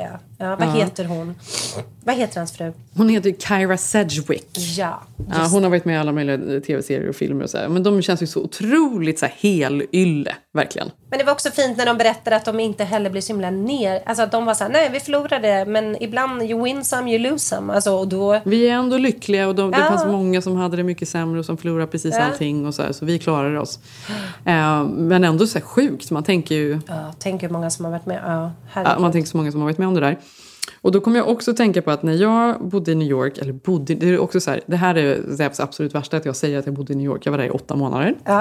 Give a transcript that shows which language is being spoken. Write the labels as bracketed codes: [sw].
[sv] Ja. Ja, vad heter hon? Vad heter hans fru? Hon heter Kyra Sedgwick. Ja, ja, hon har varit med i alla möjliga tv-serier och filmer. Och så här. Men de känns ju så otroligt så här helylle, verkligen. Men det var också fint när de berättade att de inte heller blev så himla ner. Alltså att de var så här, nej, vi förlorade. Men ibland, [en] you win some, you lose some. [sv] Alltså, och då... Vi är ändå lyckliga. Och det fanns många som hade det mycket sämre och som förlorade precis allting. Och så, här, så vi klarade oss. Men ändå så här sjukt. Man tänker ju... Tänk hur många som har varit med. Man tänker så många som har varit med om det där. Och då kommer jag också tänka på att när jag bodde i New York, eller bodde, det är också så här, det här är det absolut värsta att jag säger att jag bodde i New York. Jag var där i 8 månader.